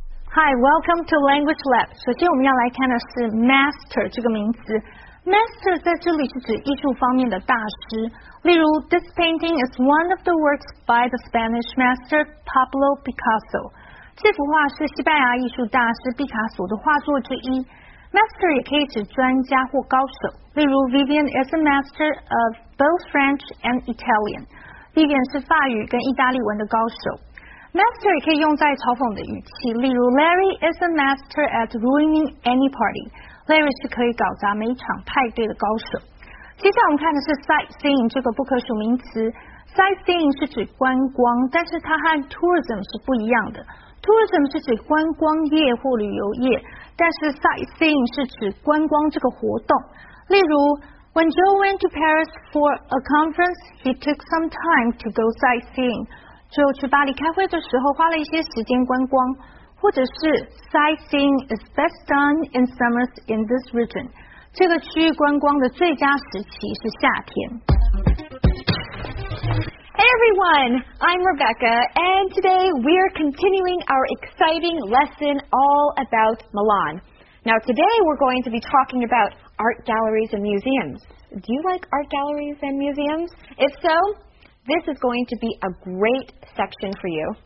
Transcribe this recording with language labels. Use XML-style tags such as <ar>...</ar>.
<en>Hi, welcome to Language Lab.</en> <zh>首先我们要来看的是 master 这个名词。 Master 在这里是指艺术方面的大师。例如</zh> <en>,this painting is one of the works by the Spanish master Pablo Picasso.</en> <zh>这幅画是西班牙艺术大师毕卡索的画作之一。 Master 也可以指专家或高手。例如</zh> <en>,Vivian is a master of both French and Italian.</en> <zh>Vivian 是法语跟意大利文的高手。Master 也可以用在嘲讽的语气，例如</zh> <en>Larry is a master at ruining any party.</en> <zh>Larry 是可以搞砸每一场派对的高手。接下来我们看的是 sightseeing 这个不可数名词。 Sightseeing 是指观光，但是它和 tourism 是不一样的。 Tourism 是指观光业或旅游业，但是 sightseeing 是指观光这个活动。例如</zh> <en>，When Joe went to Paris for a conference, he took some time to go sightseeing.</en> <zh>就去巴黎开会的时候花了一些时间观光，或者是</zh> <en>sightseeing is best done in summers in this region.</en> <zh>这个区域观光的最佳时期是夏天。</zh> <en>Hey everyone, I'm Rebecca, and today we're continuing our exciting lesson all about Milan. Now today we're going to be talking about art galleries and museums. Do you like art galleries and museums? If so,This is going to be a great section for you.</en>